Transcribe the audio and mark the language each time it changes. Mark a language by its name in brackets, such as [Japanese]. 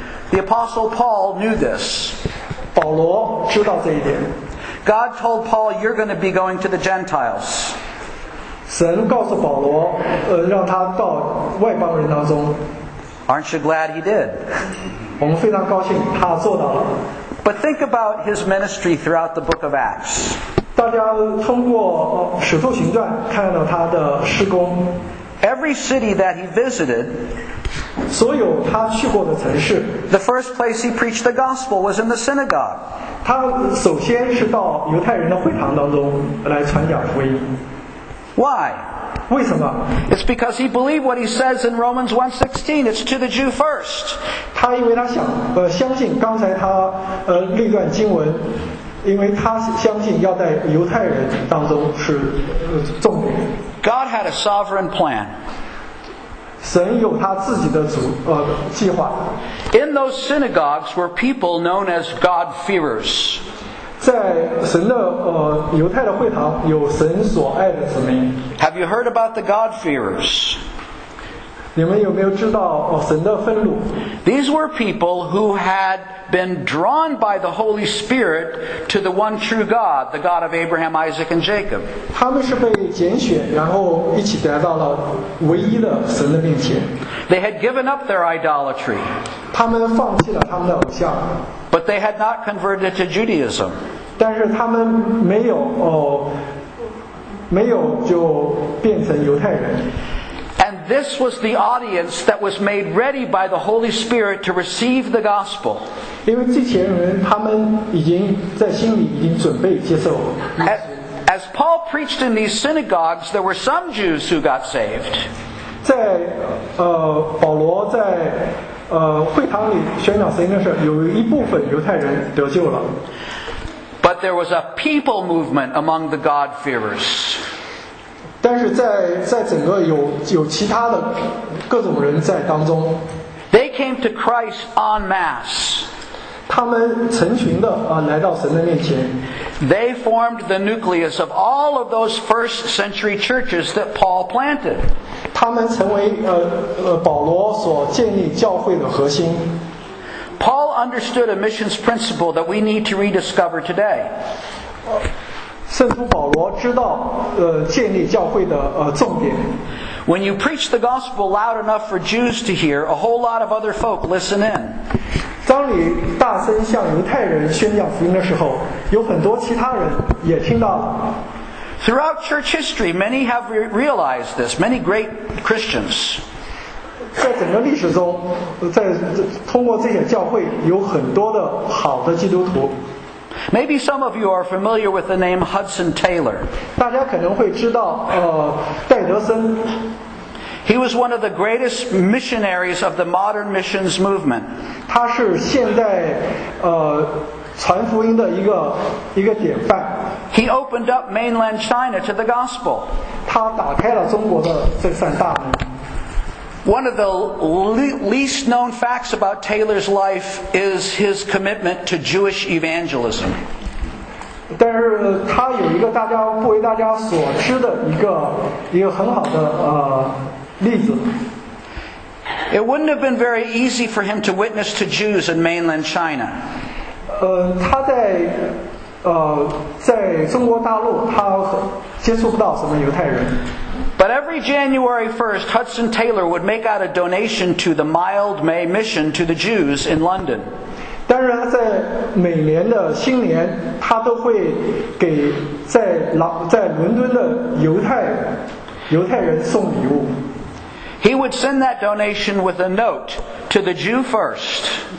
[English] The Apostle Paul knew this. [Chinese] 保罗知道这一点。 [English] God told Paul, you're going to be going to the Gentiles. [Chinese] 神告诉保罗让他到外邦人当中。 [English] Aren't you glad he did? [Chinese] 我们非常高兴他做到了。 [English] But think about his ministry throughout the book of Acts. [Chinese] 大家通过使徒行传看到他的事工。 [English] Every city that he visited, [Chinese] 所有他去过的城市, [English] the first place he preached the gospel was in the synagogue. [Chinese] 他首先是到犹太人的会堂当中来传讲福音。 [English] Why? [Chinese] 为什么? [English] It's because he believed what he says in Romans 1:16. It's to the Jew first. [Chinese] 他因为他想相信刚才他那段经文，因为他相信要在犹太人当中是重点。 [English] God had a sovereign plan. [Chinese] 神有他自己的计划。 [English] In those synagogues were people known as God-fearers. [Chinese] 在神的犹太的会堂有神所爱的子民。 [English] Have you heard about the God-fearers? [Chinese] 你们有没有知道神的愤怒? [English] These were people who had been drawn by the Holy Spirit to the one true God, the God of Abraham, Isaac, and Jacob. [Chinese] 他们是被拣选，然后一起来到了唯一的神的面前。 [English] They had given up their idolatry. [Chinese] 他们放弃了他们的偶像。 [English] But they had not converted to Judaism. [Chinese] 但是他们没有就变成犹太人。 [English] And this was the audience that was made ready by the Holy Spirit to receive the gospel. [Chinese] 因为这些人他们已经在心里已经准备接受。 [English] As Paul preached in these synagogues, there were some Jews who got saved. [Chinese] 在保罗在会堂里宣讲神的时候，有一部分犹太人得救了。 [English] But there was a people movement among the God-fearers. [Chinese] 但是 在整个 有其他的各种人在当中。 [English] They came to Christ en masse. [Chinese] 他们成群的来到神的面前。 [English] They formed the nucleus of all of those first century churches that Paul planted. [Chinese] 他们成为保罗所建立教会的核心。 [English] Paul understood a missions principle that we need to rediscover today. [Chinese] 圣徒保罗知道建立教会的重点。 [English] When you preach the gospel loud enough for Jews to hear, a whole lot of other folk listen in. [Chinese] 当你大声向犹太人宣讲福音的时候，有很多其他人也听到了。 [English] Throughout church history, many have realized this, many great Christians. [Chinese] 在整个历史中，在通过这些教会，有很多的好的基督徒。 [English] Maybe some of you are familiar with the name Hudson Taylor. [Chinese] 大家可能会知道，戴德森。 [English] He was one of the greatest missionaries of the modern missions movement. [Chinese] 他是现在，传福音的一个典范。 [English] He opened up mainland China to the gospel. [Chinese] 他打开了中国的这扇大门。 [English] One of the least known facts about Taylor's life is his commitment to Jewish evangelism. [Chinese] 但是他有一个大家不为大家所知的一个很好的例子。 [English] It wouldn't have been very easy for him to witness to Jews in mainland China. [Chinese] 他在中国大陆他接触不到什么犹太人。 [English] But every January 1st, Hudson Taylor would make out a donation to the Mild May Mission to the Jews in London. [Chinese] 当然在每年的新年，他都会给在伦敦的犹太人送礼物。 [English] He would send that donation with a note to the Jew first.